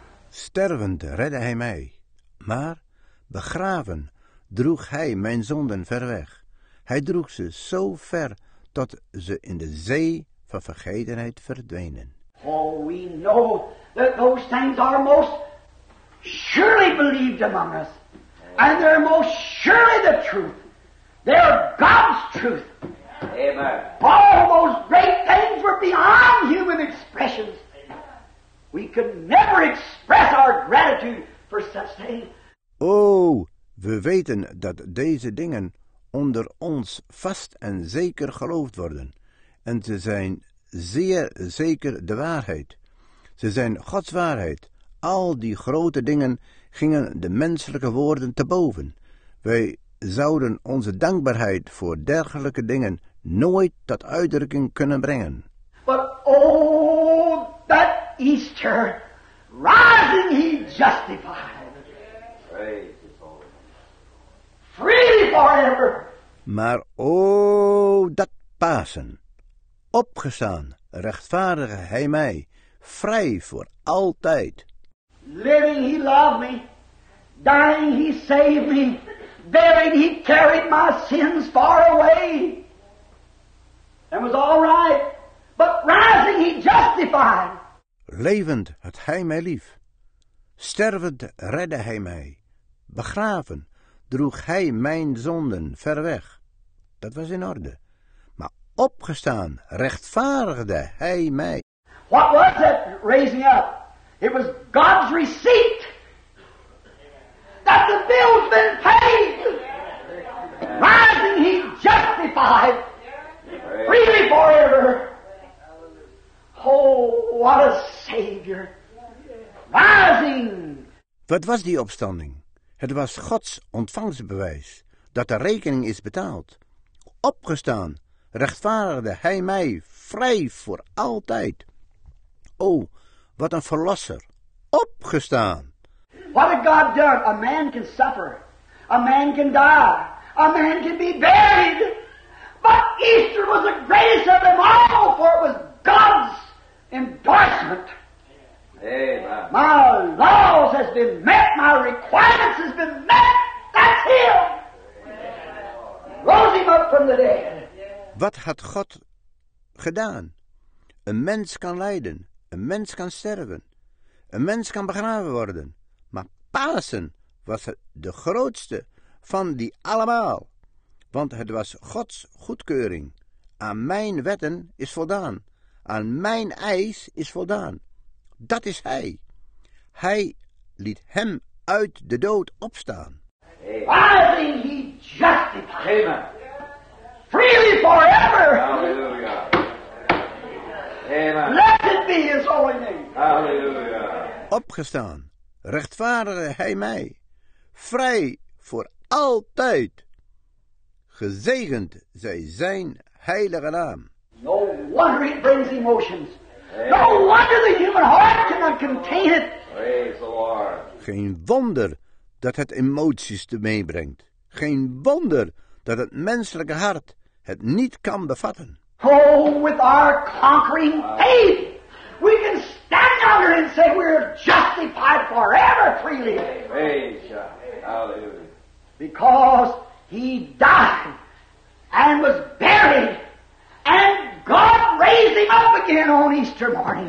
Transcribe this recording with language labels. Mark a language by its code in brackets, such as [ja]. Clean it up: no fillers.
[nl] Stervend redde hij mij, maar begraven droeg hij mijn zonden ver weg. Hij droeg ze zo ver tot ze in de zee van vergetenheid verdwenen. [en] Oh, we know that those things are most surely believed among us. And they're most surely the truth. They're God's truth. Amen. All those great things were beyond human expressions. We could never express our gratitude for such things. [nl] Oh, we weten dat deze dingen onder ons vast en zeker geloofd worden. En ze zijn zeer zeker de waarheid. Ze zijn Gods waarheid. Al die grote dingen gingen de menselijke woorden te boven. Wij zouden onze dankbaarheid voor dergelijke dingen nooit tot uitdrukking kunnen brengen. [en] But oh, that Easter, rising he justified. Free forever. [nl] Maar o, dat Pasen. Opgestaan, rechtvaardige hij mij. Vrij voor altijd. [en] Living he loved me. Dying he saved me. Buried he carried my sins far away. And was all right. But rising he justified. [nl] Levend had hij mij lief. Stervend redde hij mij. Begraven droeg hij mijn zonden ver weg. Dat was in orde. Maar opgestaan rechtvaardigde hij mij. [en] What was that raising up? It was God's receipt. That the bill's been paid. Rising he justified. Freely forever. Oh, what a savior. Rising. [nl] Wat was die opstanding? Het was Gods ontvangstbewijs dat de rekening is betaald. Opgestaan rechtvaardigde hij mij vrij voor altijd. O, wat een verlosser. Opgestaan. [en] What had God done? A man can suffer. A man can die. A man can be buried. But Easter was the greatest of them all, for it was God's endorsement. Amen. My laws has been met, my requirements has been met, that's him. Amen. Rose him up from the dead. [nl] Wat had God gedaan? Een mens kan lijden, een mens kan sterven, een mens kan begraven worden. Maar Pasen was de grootste van die allemaal. Want het was Gods goedkeuring. Aan mijn wetten is voldaan, aan mijn eis is voldaan. Dat is hij. Hij liet hem uit de dood opstaan. [en] Rising he justified. Amen. Freely forever. Hallelujah. Amen. Blessed be his holy name. Hallelujah. [nl] Opgestaan, rechtvaardigde hij mij. Vrij voor altijd. Gezegend zij zijn heilige naam. [en] No wonder it brings emotions. No wonder the human heart cannot contain it. Praise the Lord. [nl] Geen wonder dat het emoties te meebrengt. Geen wonder dat het menselijke hart het niet kan bevatten. [en] Oh, with our conquering faith, we can stand out here and say we're justified forever freely. Praise God. Hallelujah. Because he died and was buried, and God raised him up again on Easter morning.